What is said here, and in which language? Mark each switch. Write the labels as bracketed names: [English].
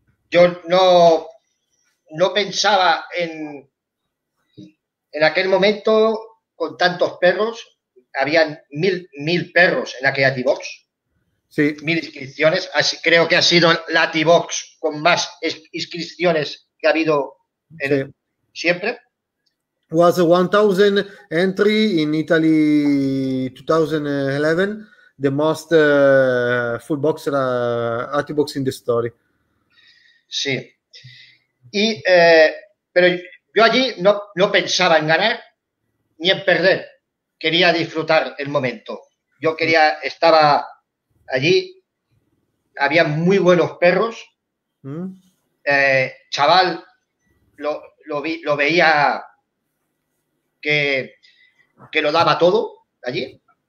[Spanish] Yo no pensaba en aquel momento con tantos perros. Habían mil perros en aquella T-Box. Sí. Mil inscripciones. Así, creo que ha sido la T-Box con más inscripciones que ha habido en sí. Siempre. [English] Was 1,000 entry in Italy 2011, the most full boxer T-Box in the story. [Spanish] Sí. Y pero yo allí no pensaba en ganar ni en perder. Quería disfrutar el momento. Yo quería, estaba allí, había muy buenos perros. Chaval lo veía que lo daba todo allí.